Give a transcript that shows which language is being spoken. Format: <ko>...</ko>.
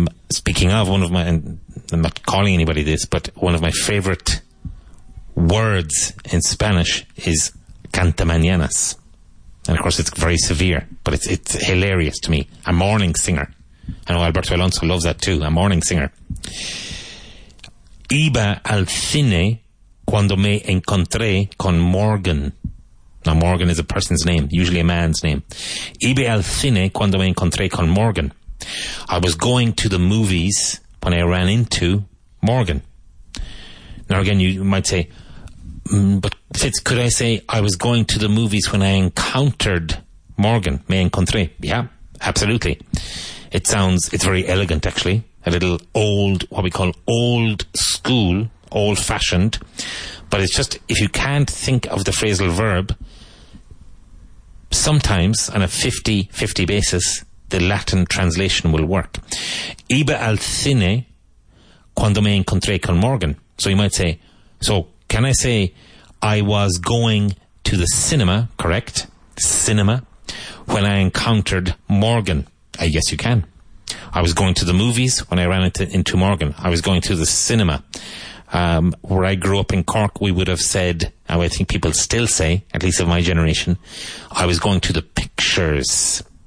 <en>Speaking of one of my, and I'm not calling anybody this, but one of my favorite words in Spanish is canta mañanas. And of course, it's very severe, but it's hilarious to me. A morning singer. I know Alberto Alonso loves that too, a morning singer.</en> <es>Iba al cine cuando me encontré con Morgan.</es> <en>Now, Morgan is a person's name, usually a man's name.</en> <es>Iba al cine cuando me encontré con Morgan.</es> <en>I was going to the movies when I ran into Morgan. Now, again, you might say, but Fitz, could I say I was going to the movies when I encountered Morgan?</en> <es>Me encontré.</es> <en>Yeah, absolutely. It's very elegant, actually. A little old, what we call old school, old fashioned. But it's just, if you can't think of the phrasal verb, sometimes on a 50-50 basis, the Latin translation will work.</en> <es>Iba al cine cuando me encontré con Morgan.</es> <en>So you might say, so can I say, I was going to the cinema, correct? Cinema. When I encountered Morgan. I guess you can. I was going to the movies when I ran into Morgan. I was going to the cinema. Where I grew up in Cork, we would have said, and I think people still say, at least of my generation, I was going to the pictures.</en>